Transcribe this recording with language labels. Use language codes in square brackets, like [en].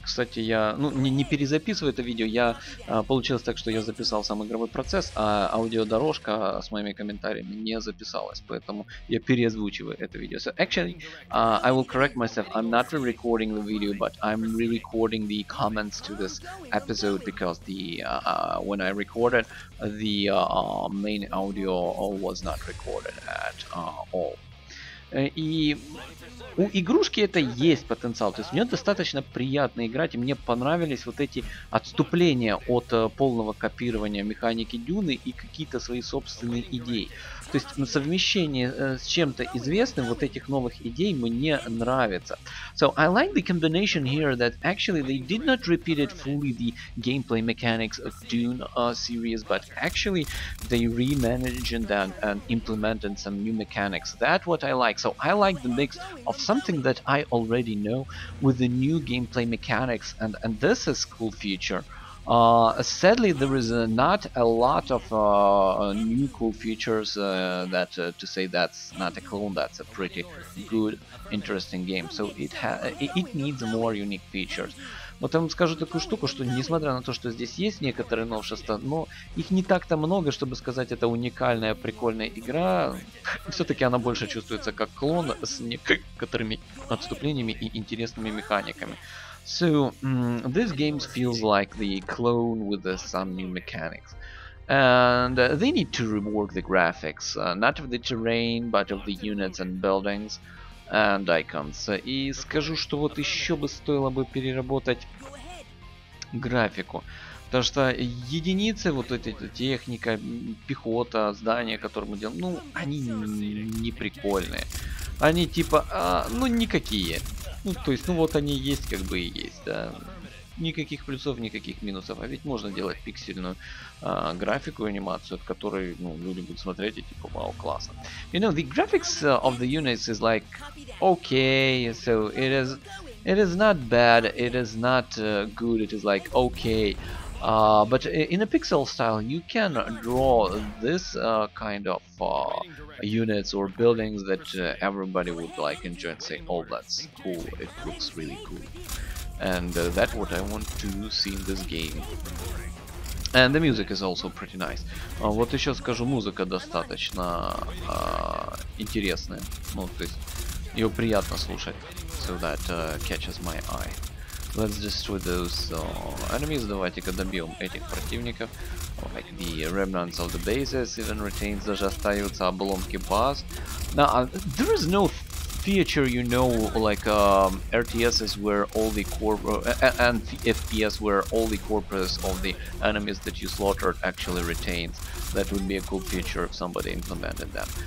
[ru] Кстати, я, ну, не перезаписываю это видео, я, получилось так, что я записал сам игровой процесс, а аудиодорожка с моими комментариями не записалась, поэтому я переозвучиваю это видео. [en] So, actually, I will correct myself, I'm not re-recording the video, but I'm re-recording the comments to this episode, because the, when I recorded, the main audio was not recorded at all. [ru] И у игрушки это есть потенциал. То есть мне достаточно приятно играть, и мне понравились вот эти отступления от полного копирования механики Дюны и какие-то свои собственные идеи. То есть совмещение с чем-то известным вот этих новых идей мне нравится. [en] So I like the combination here that actually they did not repeat it fully the gameplay mechanics of Dune series, but actually they reimagined them and implemented some new mechanics. That's what I like. So I like the mix of something that I already know with the new gameplay mechanics, and this is cool feature. Sadly, there is not a lot of new cool features that to say that's not a clone, that's a pretty good, interesting game. So it needs more unique features. [ru] Вот я вам скажу такую штуку, что несмотря на то, что здесь есть некоторые новшества, но их не так-то много, чтобы сказать, это уникальная, прикольная игра. Все-таки она больше чувствуется как клон с некоторыми отступлениями и интересными механиками. [en] So, this game feels like the clone with some new mechanics. And they need to rework the graphics, not of the terrain, but of the units and buildings and icons. [ru] И скажу, что вот еще бы стоило бы переработать графику. Потому что единицы, вот эти техника, пехота, здания, которые мы делаем, ну, они не прикольные. Они типа, ну, никакие. Ну, то есть, ну вот они есть, как бы и есть, да. Никаких плюсов, никаких минусов. А ведь можно делать пиксельную графику, анимацию, от которой, ну, люди будут смотреть и типа, вау, классно. [en] You know, the graphics of the units is like, okay, so it is not bad, it is not good, it is like, okay. But in a pixel style, you can draw this kind of units or buildings that everybody would like enjoy and say, oh, that's cool, it looks really cool. And that's what I want to see in this game. And the music is also pretty nice. [ru] Вот еще скажу, музыка достаточно интересная. Ну, то есть, ее приятно слушать. [en] So that catches my eye. Let's destroy those enemies. [ru] Давайте-ка добьем этих противников. [en] Like the remnants of the bases even retains, [ru] даже остаются обломки баз. [en] Now, there is no feature, you know, like RTSs where all the and FPS where all the corpses of the enemies that you slaughtered actually retains. That would be a cool feature if somebody implemented that.